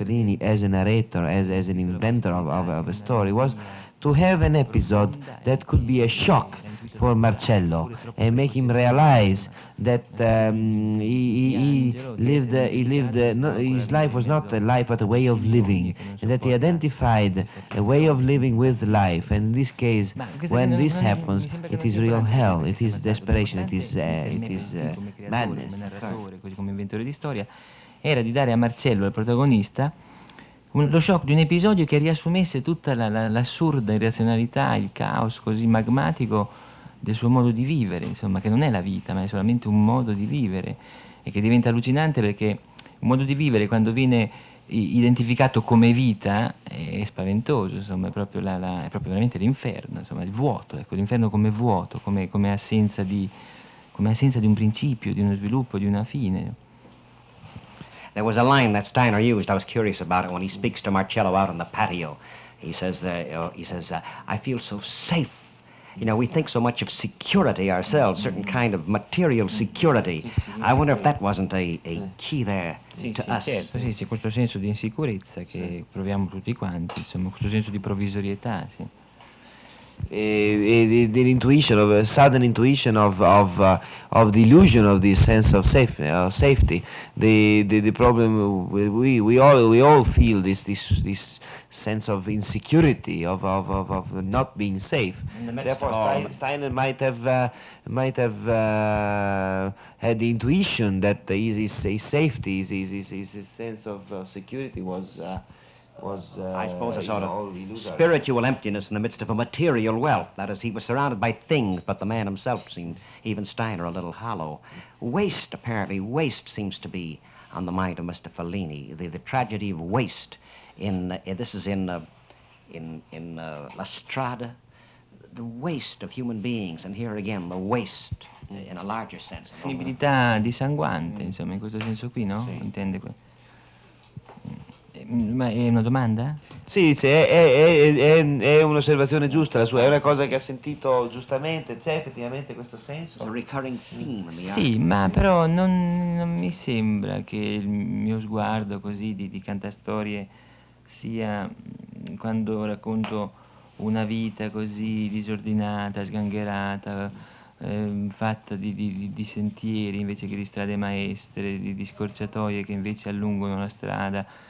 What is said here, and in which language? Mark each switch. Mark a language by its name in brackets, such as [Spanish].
[English] Fellini as a narrator, as an inventor of a story, was to have an episode that could be a shock for Marcello and make him realize that his life was not a life but a way of living, and that he identified a way of living with life. And in this case, when this happens, it is real hell, it is desperation, it is madness. [Italian] Come inventore di storia era di dare a Marcello, il protagonista, lo shock di un episodio che riassumesse tutta l'assurda irrazionalità, il caos così magmatico del suo modo di vivere, insomma, che non è la vita, ma è solamente un modo di vivere, e che diventa allucinante perché un modo di vivere, quando viene identificato come vita, è spaventoso, insomma, è proprio, è proprio veramente l'inferno, insomma, il vuoto, ecco, l'inferno come vuoto, come assenza di un principio, di uno sviluppo, di una fine. [English] There was a line that Steiner used, I was curious about it, when he speaks to Marcello out on the patio. He says, I feel so safe. You know, we think so much of security ourselves, certain kind of material security. I wonder if that wasn't a key there to us. [Italian] Sì, sì, questo senso di insicurezza che proviamo tutti quanti, insomma, questo senso di provvisorietà, sì. [English] The intuition of a sudden intuition of the illusion of this sense of safety. The problem we all feel this sense of insecurity of not being safe. Therefore, Steiner might have had the intuition that his safety, his sense of security was. A sort of spiritual emptiness in the midst of a material wealth. That is, he was surrounded by things, but the man himself seemed, even Steiner, a little hollow. Waste, apparently, waste seems to be on the mind of Mr. Fellini. The tragedy of waste in La Strada, the waste of human beings, and here again, the waste in a larger sense. [Italian] Disponibilità dissanguante, insomma, in questo senso qui, no? Sì. Intende qui. Ma è una domanda? Sì, sì, è un'osservazione giusta la sua, è una cosa che ha sentito giustamente, c'è effettivamente questo senso. [English] A recurring theme. [Italian] Sì, ma però non mi sembra che il mio sguardo così di cantastorie sia, quando racconto una vita così disordinata, sgangherata, fatta di sentieri invece che di strade maestre, di scorciatoie che invece allungano la strada.